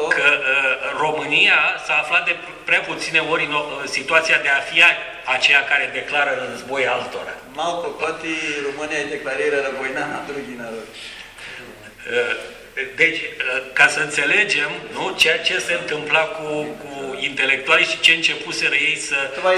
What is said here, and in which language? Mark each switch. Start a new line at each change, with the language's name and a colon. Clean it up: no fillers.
Romanian: că România s-a aflat de prea puține ori în situația de a fi aceea care declară război altora.
Bulgarian: Малко пъти România декларира война на други народи.
Romanian: Deci, ca să înțelegem, nu, ceea ce se întâmpla cu intelectualii și ce începuseră ei să